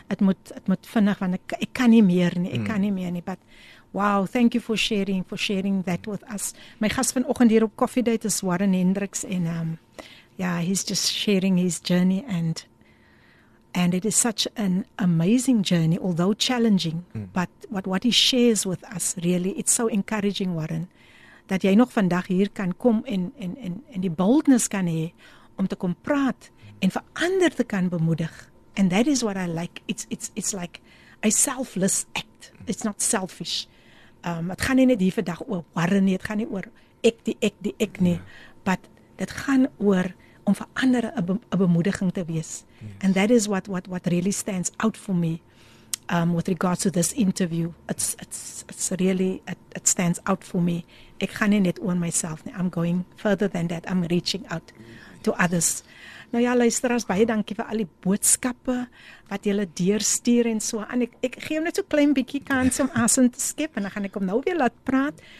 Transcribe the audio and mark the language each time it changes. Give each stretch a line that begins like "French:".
Afrikaans: Het moet vinnig, want ek kan nie meer nie. But
English: Wow, thank you for sharing that with us. My guest
Afrikaans: vanoggend hier op
English: Coffee Date is Warren Hendricks and he's just sharing his journey and it is such an amazing journey, although challenging. But what he shares with us, really, it's so encouraging,
Afrikaans: Warren, dat jy nog vandag hier kan kom en die boldness kan hê om te kom praat en vir ander te kan bemoedig.
English: And that is what I like. It's like a selfless act. It's not selfish.
Afrikaans: Het gaan nie net hier vandag oor Warren nie, het gaan nie oor ek nie. Yeah. But dit gaan oor om vir ander 'n bemoediging te wees.
English: Yes. And that is what really stands out for me with regards to this interview. It's really, it stands out for me.
Afrikaans: Ek gaan nie net oor myself nie.
English: I'm going further than that. I'm reaching out to others.
Afrikaans: Nou ja, luisteraars, baie dankie vir al die boodskappe wat julle deurstuur en so. En ek gee hom net so klein bietjie kans om asem te skep en dan gaan ek hom nou weer laat praat.